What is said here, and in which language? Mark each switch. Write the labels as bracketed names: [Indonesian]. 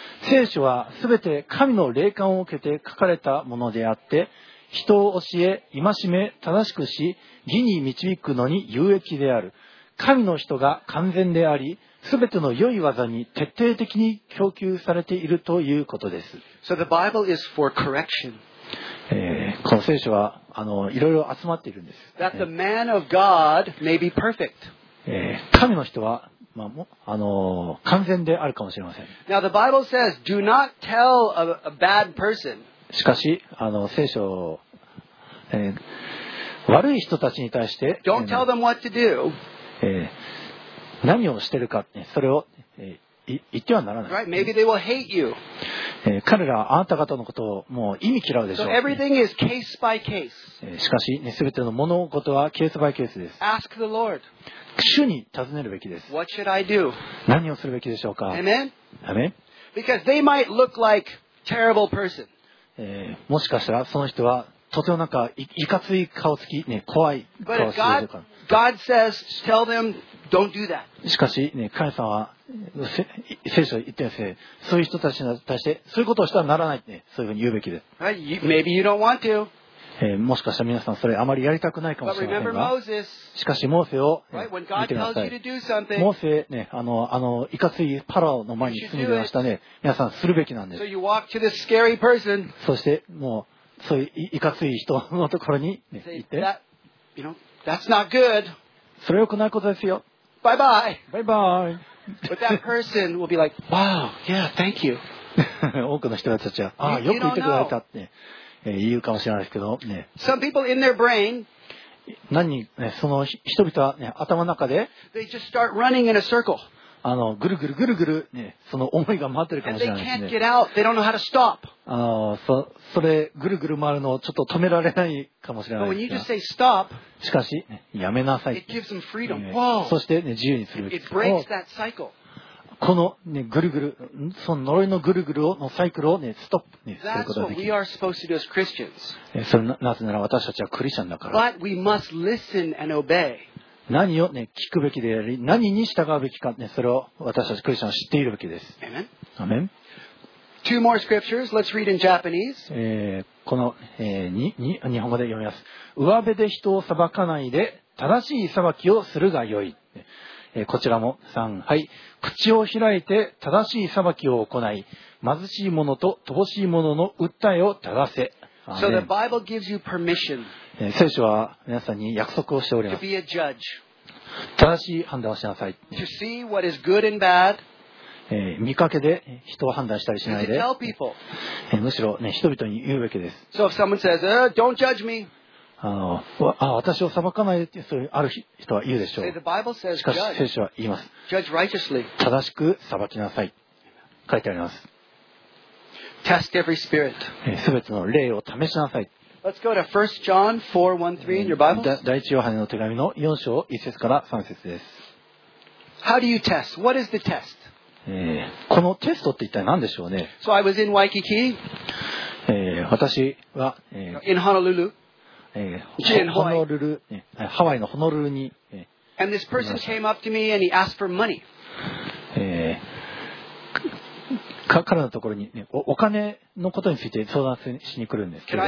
[Japanese] 聖書はすべて神の霊感を受けて書かれたものであって、人を教え戒め正しくし義に導くのに有益である。神の人が完全でありすべての良い技に徹底的に供給されているということです。 [English] So the Bible is for correction. [Japanese] この聖書はいろいろ集まっているんです。 [English] That the man of God may be perfect. [Japanese] 神の人はまあ、完全であるかもしれません。 [English] Now the Bible says, do not tell a bad person. [Japanese] しかし聖書、悪い人たちに対して [English] Don't tell them what to do. [Japanese] 何をしてるか、それを、言ってはならない。 [English] Right. Maybe they will hate you. [Japanese] 彼らはあなた方のことをもう意味嫌うでしょう。 [English] So everything is case by case. [Japanese] しかし、全ての物事はケースバイケースです。 [English] Ask the Lord. [Japanese] 主に尋ねるべきです。 [English] What should I do? [Japanese] 何をするべきでしょうか。 [English] Amen. Amen. Because they might look like terrible person. [Japanese] もしかしたらその人はとてもなんか いかつい顔つき、ね、怖い顔つきとか。 [English] God says, tell them, don't do that. [Japanese] しかし、ね、神様は聖書言ってますね。そういう人たちに対してそういうことをしたらならないって、ね、そういうふうに言うべきです。 [English] Right. Maybe you don't want to. [Japanese] もしかしたら皆さんそれあまりやりたくないかもしれませんが、しかしモーセを、 [English] right. [Japanese] 見てください。モーセ、ね、あのいかついパラオの前に住んでましたね。皆さんするべきなんです。 [English] so you walk to the scary person. [Japanese] そしてもうそういういかつい人のところに、ね、行って、 [English] you know, that's not good. [Japanese] それよくないことですよ。バイバイ。バイバイ。 [English] But that person will be like, wow, yeah, thank you. [Japanese] 多くの人たちは、ああ、よく言ってくれたって、ね、言うかもしれないですけど、ね。 [English] Some people in their brain, [Japanese] 何人、ね、その人々は、ね、頭の中で、 [English] they just start running in a circle. [Japanese] あのぐるぐるぐるぐる、ね、その思いが回ってるかもしれないですね。 [English] And they can't get out. They don't know how to stop. [Japanese] それぐるぐる回るのをちょっと止められないかもしれないですが。 [English] But when you just say stop, [Japanese] しかし、ね、やめなさい。 [English] It gives them freedom. [Japanese] そして、ね、自由にする。 [English] It breaks that cycle. [Japanese] この、ね、ぐるぐる、その呪いのぐるぐるをのサイクルを、ね、ストップ、ね、することができる。 [English] That's what we are supposed to do as Christians. [Japanese] それなぜなら私たちはクリスチャンだから。 [English] But we must listen and obey. [Japanese] 何を、ね、聞くべきであり何に従うべきか、ね、それを私たちクリスチャンは知っているべきです。アメン。 [English] Two more scriptures. Let's read in Japanese. [Japanese] この、日本語で読みます。上辺で人を裁かないで正しい裁きをするがよい。こちらも3、はい、口を開いて正しい裁きを行い貧しい者と乏しい者の訴えを正せ。 [English] So the Bible gives you permission. [Japanese] 聖書は皆さんに約束をしております。 [English] To be a judge. [Japanese] 正しい判断をしなさい。 [English] To see what is good and bad. [Japanese] 見かけで人を判断したりしないで。 [English] To tell people. [Japanese] むしろ、ね、人々に言うべきです。 [English] So if someone says, don't judge me. [Japanese] 私を裁かないでってそういうある人は言うでしょう。 [English] The Bible says, [Japanese] しかし聖書は言います。 [English] Judge righteously. [Japanese] 正しく裁きなさい。書いてあります。 [English] Test every spirit. [Japanese] 全ての霊を試しなさい。 [English] Let's go to 1 John 4:1-3 in your Bible. [Japanese] 第一ヨハネの手紙の4章1節から3節です。 [English] How do you test? What is the test? [Japanese] このテストって一体何でしょうね。 [English] So I was in Waikiki. [Japanese] 私は、 [English] in Honolulu. [Japanese] Honolulu. ハワイのホノルルに。 [English] And this person came up to me and he asked for money. [Japanese] 彼のところに、ね、お金のことについて相談しに来るんですけども。